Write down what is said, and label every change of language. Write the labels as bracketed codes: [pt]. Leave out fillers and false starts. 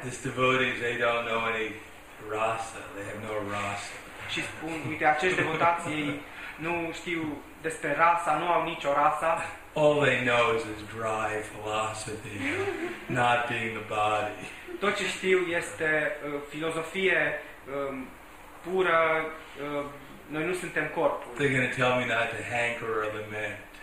[en] These devotees, they don't know any rasa. They have no rasa. [ro] Și spun, uite, acești devotați, ei nu știu despre rasa, nu au nicio rasa. [en] All they know is dry philosophy, not being the body. [ro] Tot ce știu este filozofie pură, noi nu suntem corpul. [en] They're going to tell me not to hanker or lament.